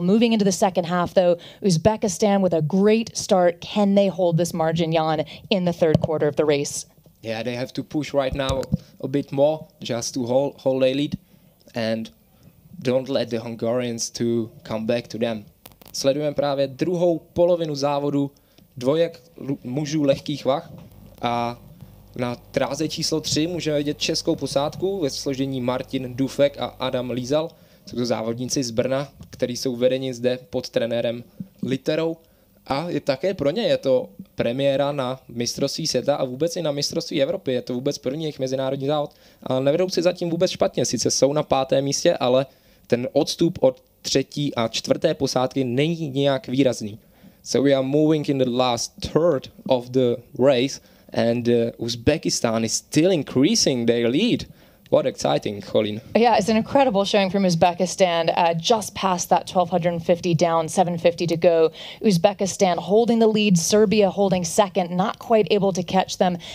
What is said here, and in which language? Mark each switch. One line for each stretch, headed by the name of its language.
English: Moving into the second half, though, Uzbekistan with a great start. Can they hold this margin, Jan, in the third quarter of the race? Yeah, they have to push right now a bit more just to hold a lead, and don't let the Hungarians to come back to them.
Czech: Sledujeme právě druhou polovinu závodu dvojek mužů lehkých vah a na tráze číslo 3 můžeme vidět českou posádku ve složení Martin Dufek a Adam Lízal. Jsou to závodníci z Brna, kteří jsou vedeni zde pod trenérem Literou. A je také pro ně je to premiéra na mistrovství světa a vůbec i na mistrovství Evropy. Je to vůbec první jejich mezinárodní závod. A nevedou si zatím vůbec špatně. Sice jsou na pátém místě, ale ten odstup od třetí a čtvrté posádky není nějak výrazný.
English: So we are moving in the last third of the race and Uzbekistan is still increasing their lead. What exciting, Colin. Yeah, it's an incredible showing from Uzbekistan. Just past that 1,250 down, 750 to go. Uzbekistan holding the lead, Serbia holding second, not quite able to catch them.